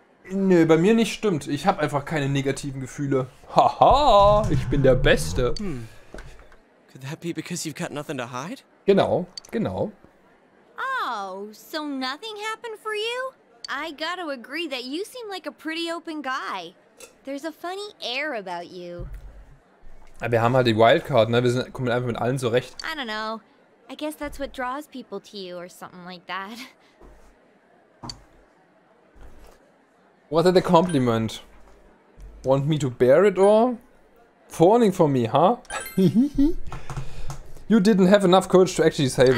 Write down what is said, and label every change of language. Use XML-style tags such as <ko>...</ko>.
<de>Nö, bei mir nicht stimmt. Ich hab einfach keine negativen Gefühle. Haha, ich bin der Beste. Hmm.</de> <en>Could that be because you've got nothing to hide?</en> <de>Genau, genau.</de> <en>Oh, so nothing happened for you? I gotta agree that you seem like a pretty open guy. There's a funny air about you.</en> <de>Ja, wir haben halt die Wildcard, ne? Wir sind, kommen einfach mit allen zurecht.</de> <en>I don't know. I guess that's what draws people to you or something like that. What a compliment. Want me to bear it or? Fawning for me, huh? You didn't have enough courage to actually say that.</en>